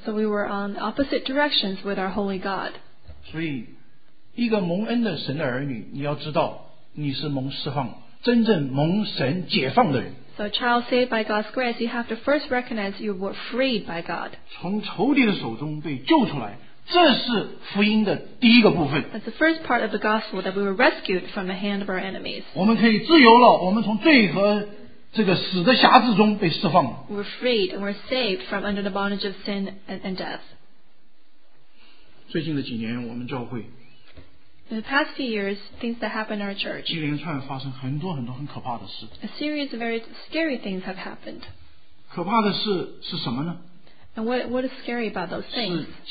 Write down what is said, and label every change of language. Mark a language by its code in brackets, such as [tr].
[en] So we were on opposite directions with our holy God. [zh] 所以一个蒙恩的神的儿女, 你要知道, 你是蒙释放, 真正蒙神解放的人。 [en] So a child saved by God's grace, you have to first recognize you were freed by God. [zh] 从仇敌的手中被救出来, 这是福音的第一个部分。 [en] That's the first part of the gospel, that we were rescued from the hand of our enemies. [zh] 我们可以自由了, 我们从罪和这个死的辖制中被释放了。 [en] We're freed and we're saved from under the bondage of sin and death. [zh] 最近的几年, 我们教会, [en] in the past few years, things that happened in our church, [zh] 一连串发生很多很多很可怕的事, [en] a series of very scary things have happened. [zh] 可怕的事是什么呢? [en] And what is scary about those things?